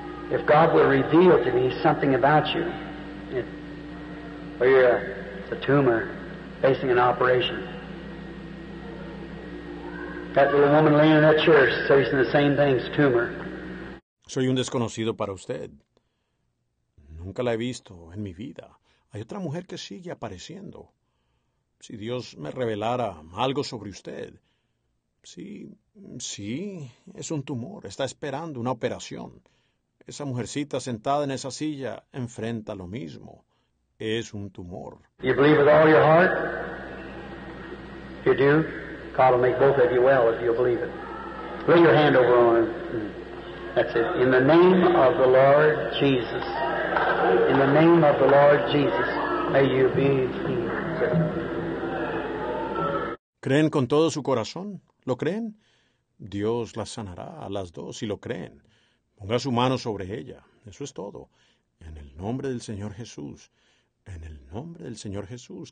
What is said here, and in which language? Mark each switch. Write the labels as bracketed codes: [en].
[en] If God will reveal to me something about you, it's a tumor facing an operation. That little woman laying in that chair is facing the same thing, it's a tumor. [es] Soy un desconocido para usted. Nunca la he visto en mi vida. Hay otra mujer que sigue apareciendo. Si Dios me revelara algo sobre usted. Sí, es un tumor. Está esperando una operación. Esa mujercita sentada en esa silla enfrenta lo mismo. Es un tumor. [en] You believe with all your heart? If you do, God will make both of you well if you believe it. Lay your hand over on him. That's it. In the name of the Lord Jesus. In the name of the Lord Jesus, may you be healed. [es] ¿Creen con todo su corazón? ¿Lo creen? Dios las sanará a las dos si lo creen. Ponga su mano sobre ella. Eso es todo. En el nombre del Señor Jesús. En el nombre del Señor Jesús.